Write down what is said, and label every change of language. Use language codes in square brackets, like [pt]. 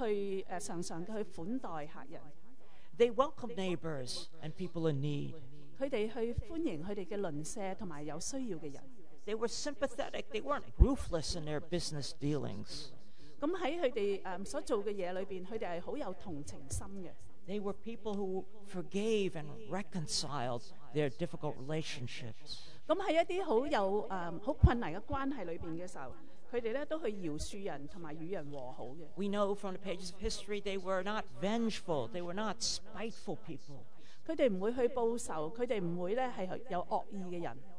[zh] 他們不單是一些很正直的人,他們更加是常常去款待客人。 [en] They welcome neighbors and people in need. [zh] 他們去歡迎他們的鄰舍和有需要的人。 [en] They were sympathetic. They weren't ruthless in their business dealings. [zh] 在他们所做的事里面,他们是很有同情心的。 [en] They were people who forgave and reconciled their difficult relationships. [zh] 在一些很困难的关系里面的时候,他们都去饶恕人和与人和好的。 [en] We know from the pages of history, they were not vengeful. They were not spiteful people. [zh] 他们不会去报仇,他们不会是有恶意的人。